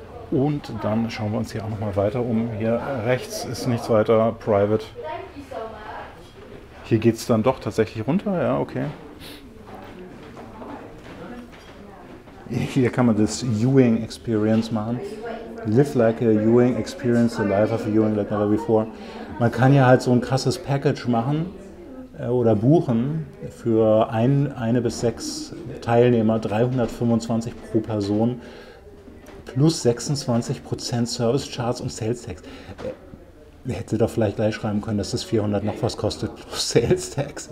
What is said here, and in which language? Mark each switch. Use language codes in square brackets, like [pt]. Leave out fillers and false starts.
[de] Und dann schauen wir uns hier auch noch mal weiter um. Hier rechts ist nichts weiter, private. Hier geht es dann doch tatsächlich runter, ja, okay. Hier kann man das Ewing Experience machen. [en] Live like a Ewing, experience the life of a Ewing like never before. [de] Man kann ja halt so ein krasses Package machen oder buchen für eine bis sechs Teilnehmer, 325 pro Person plus 26% Service Charts und Sales Tax. Hätte doch vielleicht gleich schreiben können, dass das 400 noch was kostet plus Sales Tax.